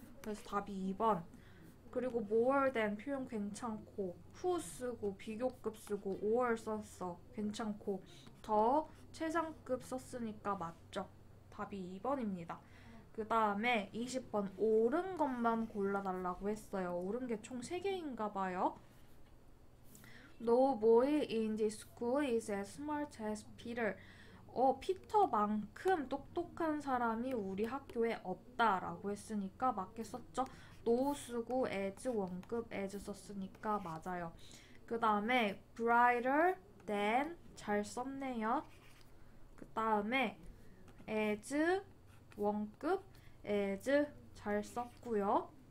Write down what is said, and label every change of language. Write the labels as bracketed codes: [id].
[ko] 그래서 답이 2번. 그리고 more than 표현 괜찮고 who 쓰고 비교급 쓰고 or 썼어. 괜찮고 the 최상급 썼으니까 맞죠? 답이 2번입니다. 그 다음에 20번 옳은 것만 골라달라고 했어요. 옳은 게총 3개인가 봐요. [en] No boy in this school is as smart as Peter. [ko] 피터만큼 똑똑한 사람이 우리 학교에 없다라고 했으니까 맞게 썼죠. No 쓰고 as 원급 as 썼으니까 맞아요. 그 다음에 brighter than 잘 썼네요. 그 다음에 as 원급 에즈 잘 썼고요.